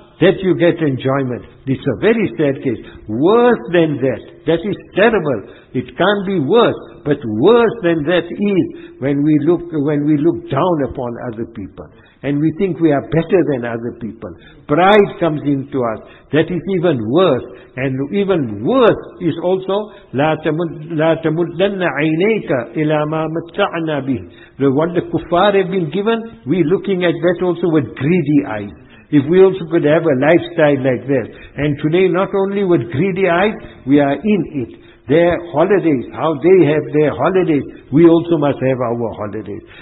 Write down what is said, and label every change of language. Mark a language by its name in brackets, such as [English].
[English] that you get enjoyment. This is a very sad case. Worse than that, that is terrible. It can't be worse, but worse than that is when we look down upon other people and we think we are better than other people. Pride comes into us. That is even worse. And even worse is also [Arabic] لَا تَمُدَّنَّ عَيْنَيْكَ إِلَى مَا مَتَّعْنَا بِهِ. [English] The one the kuffar have been given, we looking at that also with greedy eyes. If we also could have a lifestyle like this. And today, not only with greedy eyes, we are in it. Their holidays, how they have their holidays, we also must have our holidays.